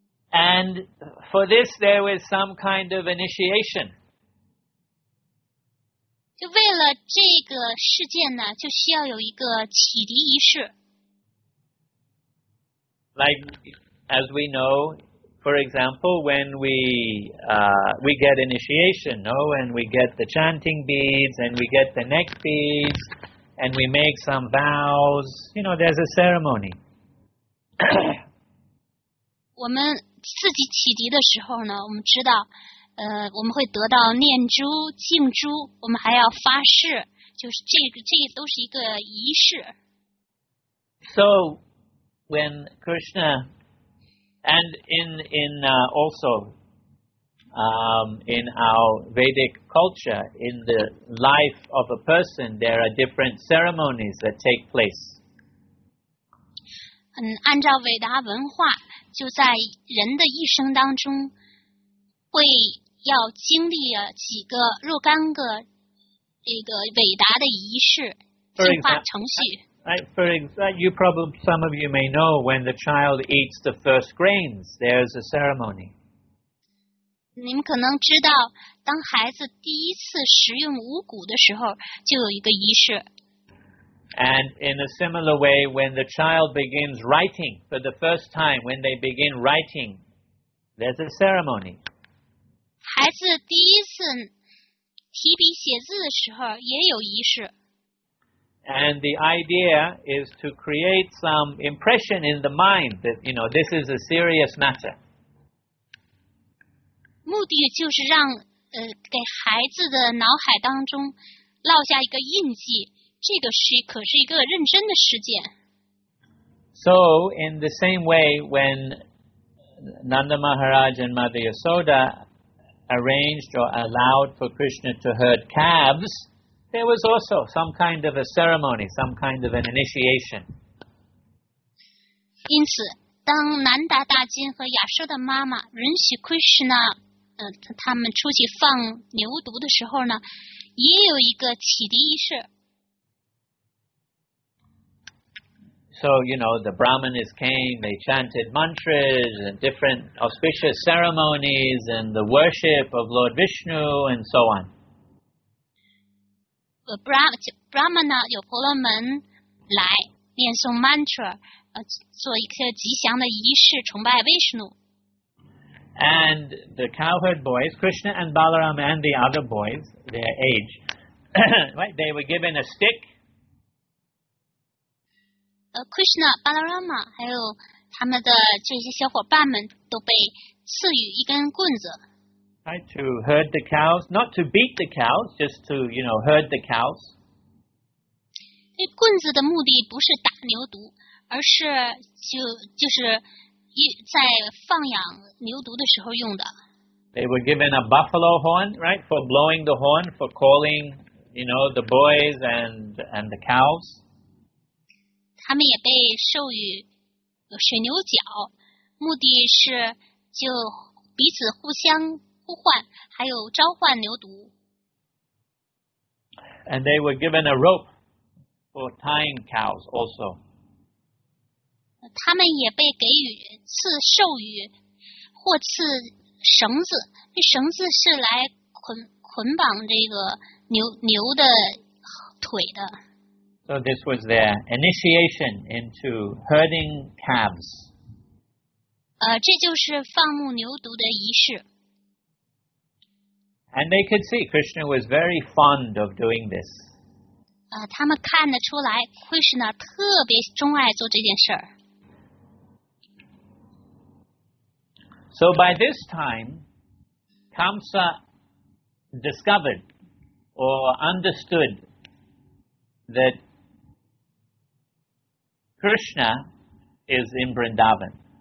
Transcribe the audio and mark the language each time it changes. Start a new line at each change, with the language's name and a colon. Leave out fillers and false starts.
English: And for this there was some kind of initiation.
Chinese: 就为了这个事件呢就需要有一个启迪仪式。
English: Like, as we know,For example, when we get initiation, no, and we get the chanting beads, and we get the neck beads, and we make some vows, you know, there's a ceremony.
Chinese: 我们自己启迪的时候呢，我们知道我们会得到念珠、净珠，我们还要发誓，就是这都是一个仪式。
English: So when Krishna and in our Vedic culture, in the life of a person, there are different ceremonies that take place.
Chinese: 按照韦达文化，就在人的一生当中，会要经历几个若干个这个韦达的仪式进化程序。
English: For example, you probably, some of you may know, when the child eats the first grains, there's a ceremony.
Chinese: 你们可能知道，当孩子第一次食用五谷的时候，就有一个仪式。
English: And in a similar way, when the child begins writing for the first time, when they begin writing, there's a ceremony.
Chinese: 孩子第一次提笔写字的时候，也有仪式。
English: And the idea is to create some impression in the mind that, you know, this is a serious matter.
Chinese: 目的就是让给孩子的脑海当中烙下一个印记，这个是可是一个认真的事件。
English: So, in the same way, when Nanda Maharaj and Mother Yasoda arranged or allowed for Krishna to herd calves,There was also some kind of a ceremony, some kind of an initiation.
Chinese: 因此，当南达大金和亚瑟的妈妈允许 Krishna 他们出去放牛犊的时候呢，也有一个启迪仪式。
English: So, you know, the Brahmanas came, they chanted mantras and different auspicious ceremonies and the worship of Lord Vishnu and so on.
Chinese: Brahmana 有婆罗门来念诵 mantra 做一个吉祥的仪式崇拜 Vishnu
English: and the cowherd boys Krishna and Balaram and the other boys their age right, they were given a stick
Chinese: Krishna, Balarama 还有他们的这些小伙伴们都被赐予一根棍子
English: Right, to herd the cows, not to beat the cows, just to, you know, herd the cows.
Chinese: 这棍子的目的不是打牛犊，而是就是在放养牛犊的时候用的。
English: They were given a buffalo horn, right, for blowing the horn, for calling, you know, the boys and the cows.
Chinese: 他们也被授予水牛角，目的是就彼此互相。呼唤，还有召唤牛犊。
English: And they were given a rope for tying cows also.
Chinese: 他们也被给予赐授予或赐绳子，这绳子是来捆绑这个牛的腿的。
English: So this was their initiation into herding calves.
Chinese: 这就是放牧牛犊的仪式。
English: And they could see Krishna was very fond of doing this.
Chinese: 他们看得出来 ，Krishna 特别钟爱做这件事儿。
English: So by this time, Kamsa discovered or understood that Krishna is in Vrindavan.